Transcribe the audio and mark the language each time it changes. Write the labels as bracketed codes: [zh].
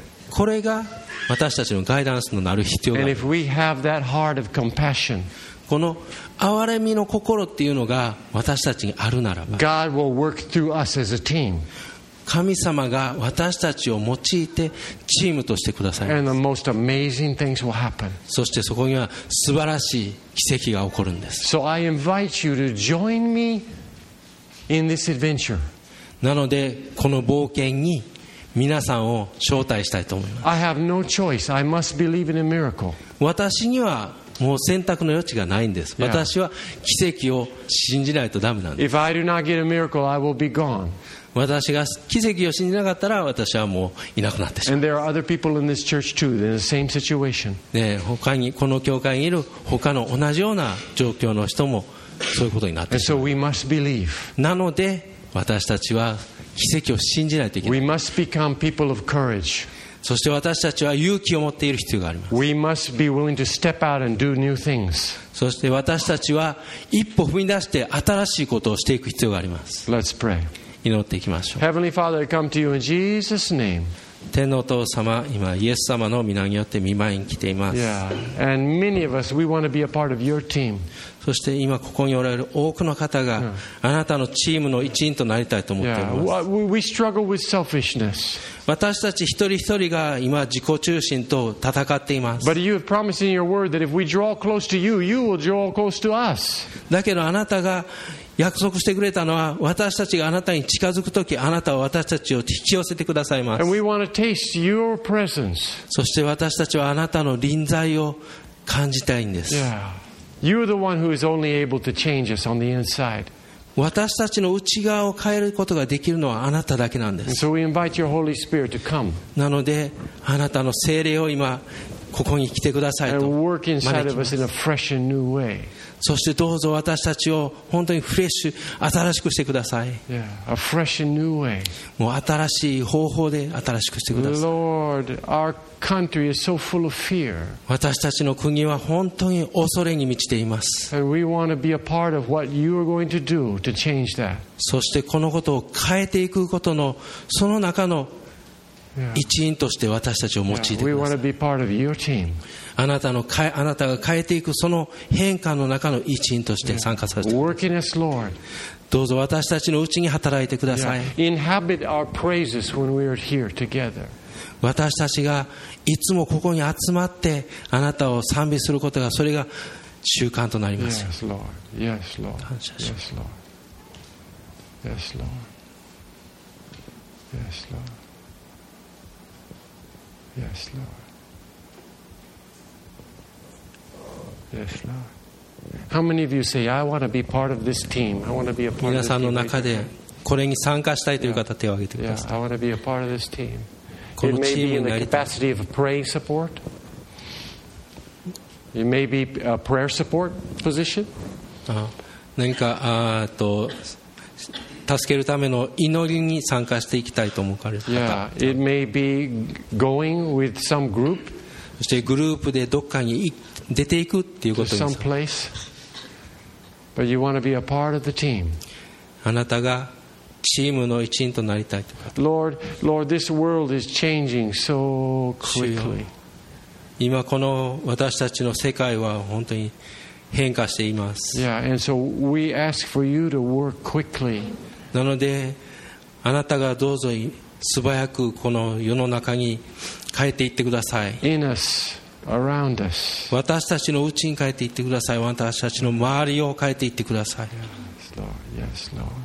[ja] これが私たちのガイダンスのなる必要がある。 [en] And if we have that heart of compassion, [ja] この憐れみの心っていうのが私たちにあるならば、 [en] God will work through us as a team. [ja] 神様が私たちを用いてチームとしてくださいます。 [en] And the most amazing things will happen. [ja] そしてそこには素晴らしい奇跡が起こるんです。 [en] So I invite you to join me in this adventure. [ja] なのでこの冒険に皆さんを招待したいと思います。 [en] I have no choice. I must believe in a miracle. [ja] 私にはもう選択の余地がないんです。 [en] Yeah. [ja] 私は奇跡を信じないとダメなんです。 [en] If I do not get a miracle, I will be gone. [ja] 私が奇跡を信じなかったら私はもういなくなってしまう。他にこの教会にいる他の同じような状況の人もそういうことになってしまう。なので私たちは奇跡を信じないといけない。 [en] We must become people of courage. [ja] そして私たちは勇気を持っている必要があります。 [en] We must be willing to step out and do new things. [ja] そして私たちは一歩踏み出して新しいことをしていく必要があります。 [en] Let's pray. [ja] 祈っていきましょう。 [en] Heavenly Father, I come to you in Jesus' name. [ja] 天のお父様、今イエス様の御名によって御前に来ています。 [en] Yeah. And many of us, we want to be a part of your team. [ja] そして今ここにおられる多くの方が、あなたのチームの一員となりたいと思っています。 [en] Yeah. We struggle with selfishness. [ja] 私たち一人一人が今自己中心と戦っています。 [en] But you have promised in your word that if we draw close to you, you will draw close to us. [ja] だけどあなたが約束してくれたのは、私たちがあなたに近づくとき、あなたは私たちを引き寄せてくださいます。 [en] And we want to taste your presence. [ja] そして私たちはあなたの臨在を感じたいんです。 [en] You're the one who is only able to change us on the inside. [ja] 私たちの内側を変えることができるのはあなただけなんです。 [en] And so we invite your Holy Spirit to come. [ja] なのであなたの聖霊を今ここに来てくださいと。 [en] And work inside of us in a fresh and new way. [ja] そしてどうぞ私たちを本当にフレッシュ、新しくしてください。 [en] Yeah, a fresh and new way. [ja] もう新しい方法で新しくしてください。 [en] Lord, our country is so full of fear. [ja] 私たちの国は本当に恐れに満ちています。 [en] And we want to be a part of what you are going to do to change that. [ja] そしてこのことを変えていくことのその中の一員として私たちを用いてください。 [en] Yeah, we want to be part of your team. [ja] あなたが変えていくその変化の中の一員として参加させてください。どうぞ私たちのうちに働いてください。 [en] Inhabit our praises when we are here together. [ja] 私たちがいつもここに集まってあなたを賛美することが、それが習慣となりますよ。 [en] Yes, Lord. Yes, Lord. [ja] 感謝します。 [en] Yes, Lord. Yes, Lord. Yes, Lord. Yes, Lord. Yes, Lord. How many of you say, I want to be part of this team? I want to be a part of this team. [ja] 皆さんの中でこれに参加したいという方、手を挙げてください。 [en] Yeah, I want to be a part of this team. [ja] このチームになりたい。 [en] It may be in the capacity of praying support. It may be a prayer support position. [ja] 何か助けるための祈りに参加していきたいと思われる方。 [en] Yeah, it may be going with some group. [ja] そしてグループでどっかに出ていくっていうことです。 [en] To some place. But you want to be a part of the team. [ja] あなたがチームの一員となりたいと。 [en] Lord, Lord, this world is changing so quickly. [ja] 今この私たちの世界は本当に変化しています。 [en] yeah, and so we ask for you to work quickly. [ja] なのであなたがどうぞ素早くこの世の中に帰っていってください。 [en] In us, around us. [ja] 私たちのうちに帰っていってください。私たちの周りを帰っていってください。 [en] Yes, Lord. Yes, Lord.